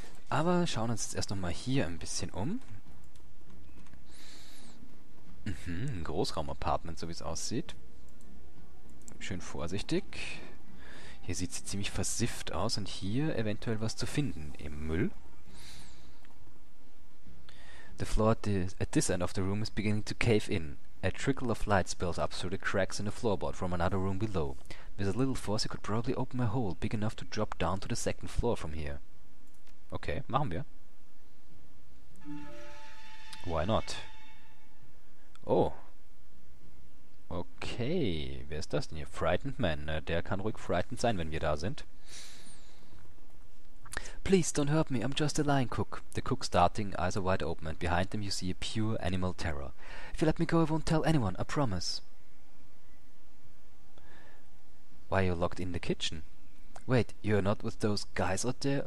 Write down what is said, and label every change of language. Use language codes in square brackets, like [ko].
[de] Aber schauen uns jetzt erst nochmal hier ein bisschen um. Ein Großraum-Apartment, so wie es aussieht. Schön vorsichtig. Hier sieht sie ziemlich versifft aus und hier eventuell was zu finden im Müll. [en] The floor at this end of the room is beginning to cave in. A trickle of light spills up through the cracks in the floorboard from another room below. With a little force you could probably open a hole big enough to drop down to the second floor from here. [de] Okay, machen wir. [en] Why not? [de] Oh. Okay, wer ist das denn hier? Frightened Man. Der kann ruhig frightened sein, wenn wir da sind. [en] Please don't hurt me, I'm just a line cook. The cook starting, eyes are wide open, and behind them you see a pure animal terror. If you let me go, I won't tell anyone, I promise. Why are you locked in the kitchen? Wait, you're not with those guys out there?